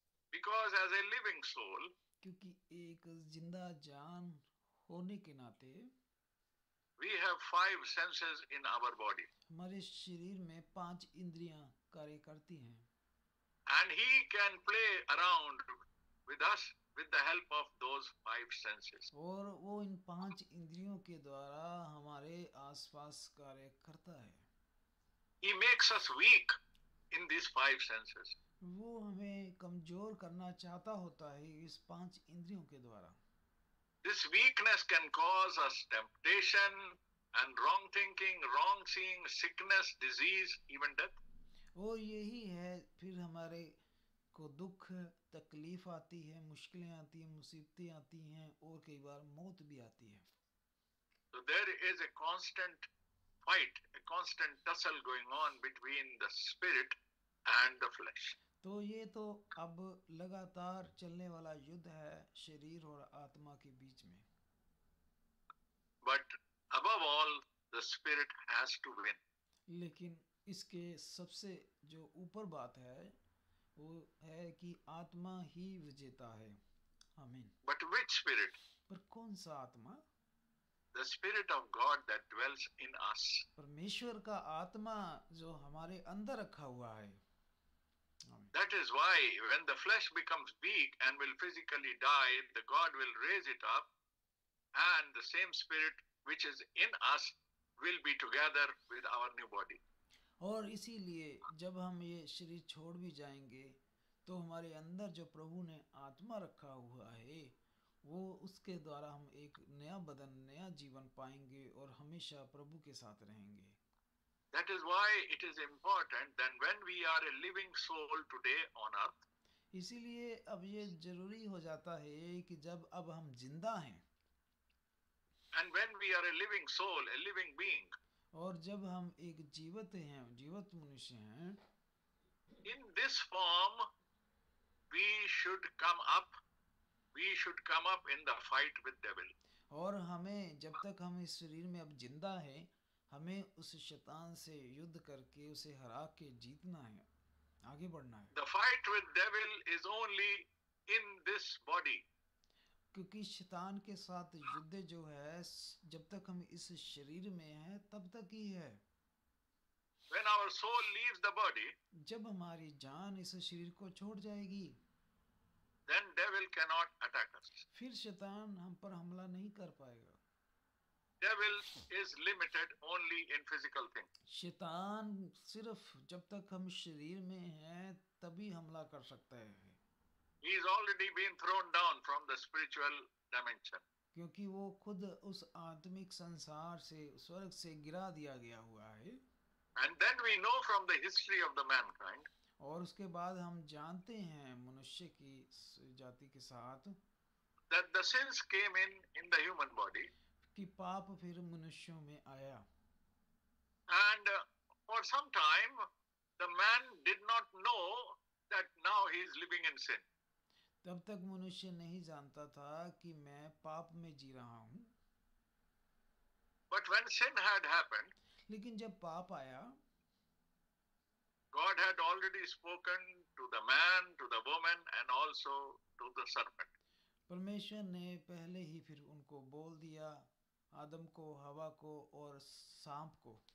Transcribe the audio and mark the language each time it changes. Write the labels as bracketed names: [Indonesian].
[English] Because as a living soul, [Hindi] क्योंकि एक जिंदा जान होने के नाते, [English] we have five senses in our body. [Hindi] हमारे शरीर में पांच इंद्रियां कार्य करती हैं. [English] And he can play around with us with the help of those five senses. [Hindi] और वो इन पांच इंद्रियों के द्वारा हमारे आसपास कार्य करता है. [English] He makes us weak in these five senses. [Hindi] वो हमें कमजोर करना चाहता होता है इस पांच इंद्रियों के द्वारा. [English] This weakness can cause us temptation and wrong thinking, wrong seeing, sickness, disease, even death. [Hindi] वो यही है फिर हमारे को दुख तकलीफ आती है, मुश्किलें आती हैं, मुसीबतें आती हैं और कई बार मौत भी आती है. [English] So there is a constant fight, a constant tussle going on between the spirit and the flesh. [Hindi] तो ये तो अब लगातार चलने वाला युद्ध है शरीर और आत्मा के बीच में. [English] But above all, the spirit has to win. [Hindi] लेकिन इसके सबसे जो ऊपर बात है वो है कि आत्मा ही विजेता है. आमीन. [English] But which spirit? [Hindi] पर कौन सा आत्मा? [English] The spirit of God that dwells in us. [Hindi] परमेश्वर का आत्मा जो हमारे अंदर रखा हुआ है. [English] That is why when the flesh becomes weak and will physically die, the God will raise it up and the same spirit which is in us will be together with our new body. [Hindi] और इसीलिए जब हम ये शरीर छोड़ भी जाएंगे तो हमारे अंदर जो प्रभु ने आत्मा रखा हुआ है वो उसके द्वारा हम एक नया बदन, नया जीवन पाएंगे और हमेशा प्रभु के साथ रहेंगे. [English] That is why it is important that when we are a living soul today on earth. [Hindi] इसीलिए अब ये जरूरी हो जाता है कि जब अब हम जिंदा हैं. [English] And when we are a living soul, a living being. [Hindi] और जब हम एक जीवित हैं, जीवित मनुष्य हैं. [English] In this form, we should come up. We should come up in the fight with devil. [Hindi] और हमें जब तक हम इस शरीर में अब जिंदा हैं. हमें उस शैतान से युद्ध करके उसे हरा के जीतना है, आगे बढ़ना है. [English] The fight with devil is only in this body. [Hindi] क्योंकि शैतान के साथ युद्ध जो है, जब तक हम इस शरीर में हैं, तब तक ही है. [English] When our soul leaves the body, [Hindi] जब हमारी जान इस शरीर को छोड़ जाएगी, [English] then devil cannot attack us. [Hindi] फिर शैतान हम पर हमला नहीं कर पाएगा. [English] Devil is limited only in physical things. [Hindi] शैतान सिर्फ जब तक हम शरीर में हैं तभी हमला कर सकता है. [English] He is already been thrown down from the spiritual dimension. [Hindi] क्योंकि वो खुद उस आत्मिक संसार से स्वर्ग से गिरा दिया गया हुआ है. [English] And then we know from the history of the mankind. [Hindi] और उसके बाद हम जानते हैं मनुष्य की जाति के साथ. [English] That the sins came in the human body. [Hindi] कि पाप फिर मनुष्यों में आया. [English] And for some time, the man did not know that now he is living in sin. [Hindi] तब तक मनुष्य नहीं जानता था कि मैं पाप में जी रहा हूँ. [English] But when sin had happened, [Hindi] लेकिन जब पाप आया, [English] God had already spoken to the man, to the woman, and also to the serpent. [Hindi] परमेश्वर ने पहले ही फिर उनको बोल दिया. आदम को, हवा को और सांप को.